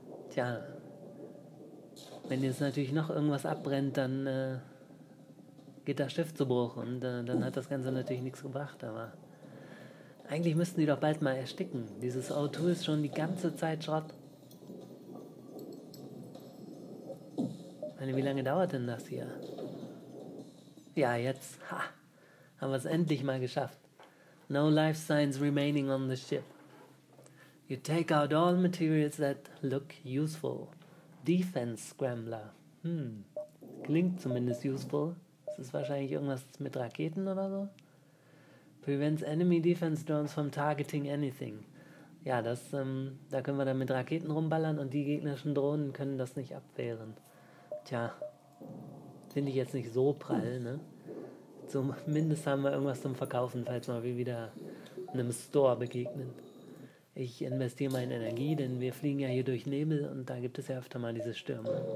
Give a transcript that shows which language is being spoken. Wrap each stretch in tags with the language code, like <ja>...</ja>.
<de>Tja, wenn jetzt natürlich noch irgendwas abbrennt, dann geht das Schiff zu Bruch und dann hat das Ganze natürlich nichts gebracht, aber... Eigentlich müssten die doch bald mal ersticken. Dieses O2 ist schon die ganze Zeit Schrott. Ich meine, wie lange dauert denn das hier? Ja, jetzt haben wir es endlich mal geschafft.</de> <en>No life signs remaining on the ship. You take out all materials that look useful.</en> <de>Defense Scrambler. Klingt zumindest</de> <en>useful.</en> <de>Das ist wahrscheinlich irgendwas mit Raketen oder so.</de> <en>Prevents enemy defense drones from targeting anything.</en> <de>Ja, das, da können wir dann mit Raketen rumballern und die gegnerischen Drohnen können das nicht abwehren. Tja, finde ich jetzt nicht so prall, ne? Zumindest haben wir irgendwas zum Verkaufen, falls wir wieder einem Store begegnen. Ich investiere mal in Energie, denn wir fliegen ja hier durch Nebel und da gibt es ja öfter mal diese Stürme.</de>